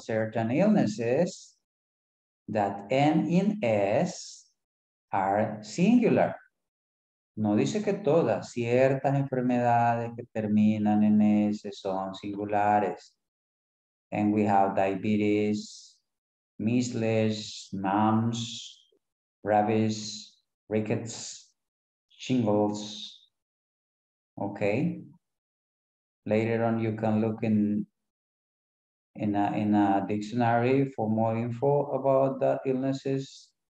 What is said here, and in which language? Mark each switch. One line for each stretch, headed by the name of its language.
English: Certain illnesses that end in S are singular.
Spanish: No dice que todas, ciertas enfermedades que terminan en S son singulares.
English: And we have diabetes, measles, mumps, rabies, rickets, shingles. Okay. Later on, you can look in a dictionary for more info about the illnesses.